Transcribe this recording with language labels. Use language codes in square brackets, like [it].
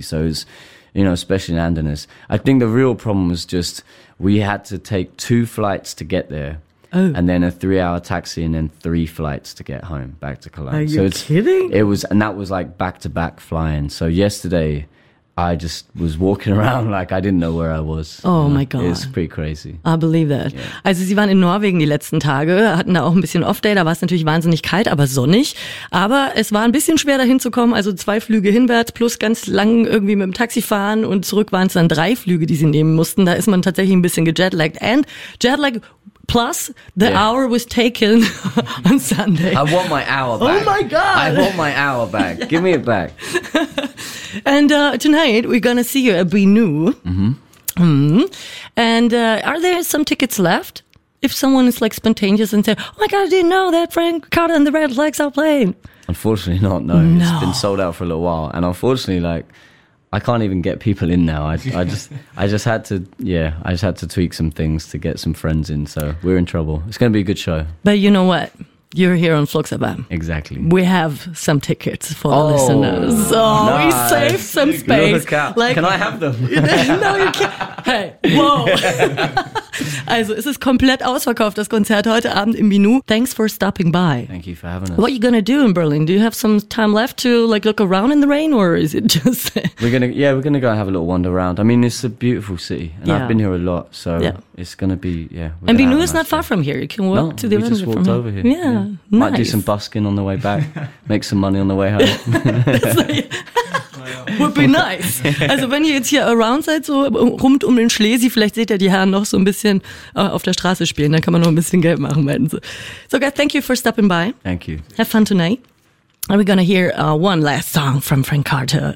[en] So it's, you know, especially in Andenes. I think the real problem was just we had to take 2 flights to get there. Oh. And then a 3-hour taxi and then 3 flights to get home back to Cologne. Are you kidding? It was, and that was like back-to-back flying. So yesterday I just was walking around like I didn't know where I was. Oh my God. It's pretty crazy. I believe that. Yeah. [de] Also Sie waren in Norwegen die letzten Tage, hatten da auch ein bisschen Off-Day, da war es natürlich wahnsinnig kalt, aber sonnig. Aber es war ein bisschen schwer dahin zu kommen, also 2 Flüge hinwärts plus ganz lang irgendwie mit dem Taxi fahren und zurück waren es dann 3 Flüge, die Sie nehmen mussten. Da ist man tatsächlich ein bisschen gejetlagged. [en] And jetlag plus the hour was taken on Sunday. I want my hour back. Oh my God. I want my hour back. Yeah. Give me it back. And tonight we're gonna see you at Binu. Mm-hmm. And are there some tickets left? if someone is like spontaneous and say, oh my God, I didn't know that Frank Carter and the Red Legs are playing? Unfortunately not, no. No. It's been sold out for a little while. And unfortunately, like, I can't even get people in now. I just had to tweak some things to get some friends in. So we're in trouble. It's going to be a good show. But you know what? You're here on Flux FM. Exactly. We have some tickets for the listeners. Oh, nice. We saved some space. Like, can I have them? No, you can't. Hey, whoa. [de] Also, es ist komplett ausverkauft, das Konzert heute Abend im Binu. [en] Thanks for stopping by. Thank you for having us. What are you going to do in Berlin? Do you have some time left to like look around in the rain, or is it just... we're going to go and have a little wander around. I mean, it's a beautiful city, and yeah. I've been here a lot, so yeah. It's going to be, yeah. And Binu is not far from here. You can walk to the event from here. No, we just walked over here. Yeah, nice. Might do some busking on the way back, make some money on the way home. Would be nice. [de] Also wenn ihr jetzt hier [en] around [de] seid, so rund um den Schlesi, vielleicht seht ihr die Herren noch so ein bisschen auf der Straße spielen, dann kann man noch ein bisschen Geld machen, meinten sie. [en] So guys, thank you for stopping by. Thank you. Have fun tonight. And we're gonna hear one last song from Frank Carter.